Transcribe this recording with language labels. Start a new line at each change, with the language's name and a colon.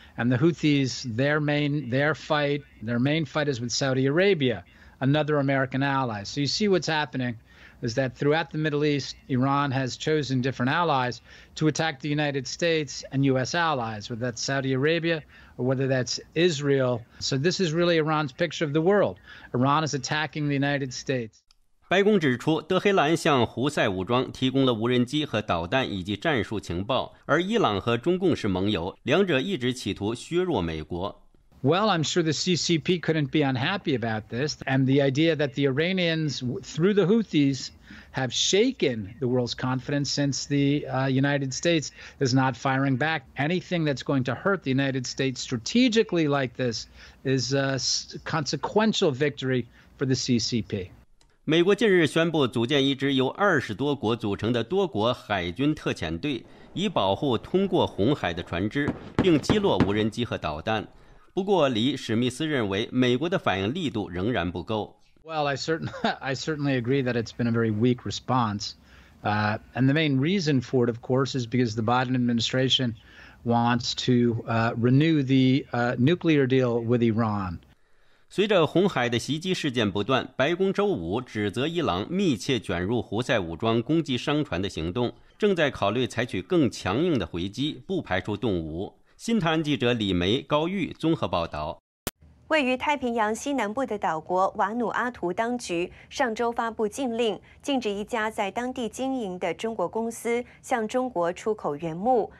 English: And the Houthis, their main fight is with Saudi Arabia, another American ally. So you see what's happening is that throughout the Middle East, Iran has chosen different allies to attack the United States and U.S. allies, whether that's Saudi Arabia,or whether that's Israel. So this is really Iran's picture of the world. Iran is attacking the United States.
Chinese: 白宫指出，德黑兰向胡塞武装提供了无人机和导弹以及战术情报，而伊朗和中共是盟友，两者一直企图削弱美国。
English: Well, I'm sure the CCP couldn't be unhappy about this. And the idea that the Iranians, through the Houthis, have shaken the world's confidence since the United States is not firing back. Anything that's going to hurt the United States strategically like this is a consequential victory for the CCP.
Chinese: 美国近日宣布组建一支由20多国组成的多国海军特遣队，以保护通过红海的船只，并击落无人机和导弹。不过，李史密斯认为，美国的反应力度仍然不够。
English: Well, I certainly agree that it's been a very weak response. And the main reason for it, of course, is because the Biden administration wants to renew the nuclear deal with Iran.
Chinese: 随着红海的袭击事件不断，白宫周五指责伊朗密切卷入胡塞武装攻击商船的行动，正在考虑采取更强硬的回击，不排除动武。新唐人记者李梅、高玉综合报道。位于太平洋西南部的岛国瓦努阿图当局上周发布禁令，禁止一家在当地经营的中国公司向中国出口原木。